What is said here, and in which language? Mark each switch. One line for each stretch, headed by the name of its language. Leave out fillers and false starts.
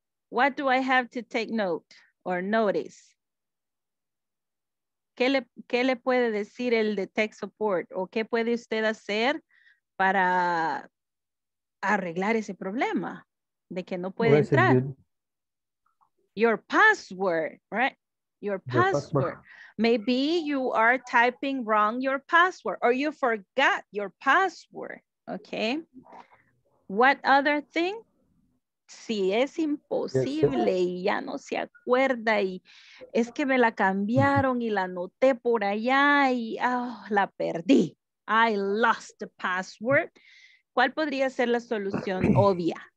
English: What do I have to take note or notice?
Spanish: ¿Qué le puede decir el de tech support? ¿O qué puede usted hacer para arreglar ese problema de que no puede entrar?
English: Your password, right? Your password. Maybe you are typing wrong your password or you forgot your password, okay? What other thing?
Spanish: Si es imposible y ya no se acuerda y es que me la cambiaron y la anoté por allá y oh, la perdí.
English: I lost the password.
Spanish: ¿Cuál podría ser la solución obvia?